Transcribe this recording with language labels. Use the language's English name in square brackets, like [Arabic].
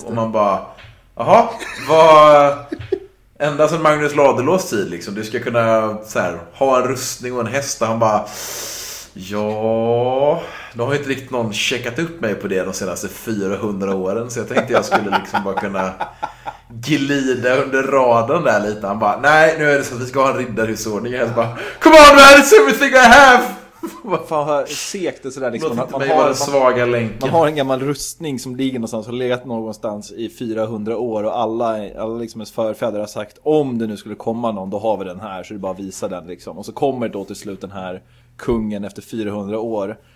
[Swedish] Ja, och man bara, jaha, vad... Ända sedan Magnus Ladulås tid liksom, du ska kunna så här, ha en rustning och en häst. Han bara, ja, då har inte riktigt någon checkat upp mig på det de senaste 400 åren. Så jag tänkte jag skulle liksom bara kunna glider under raden där lite. Han bara, nej, nu är det så att vi ska ha en riddarhusordning. Han bara, [English] come on man, it's everything I have. [Swedish] Vad fan, sekt det sådär liksom. Man har en gammal rustning som ligger någonstans och legat någonstans i 400 år. Och alla liksom ens förfäder har sagt, om det nu skulle komma någon, då har vi den här. Så det bara visa den liksom. Och så kommer då till slut den här kungen efter 400 år.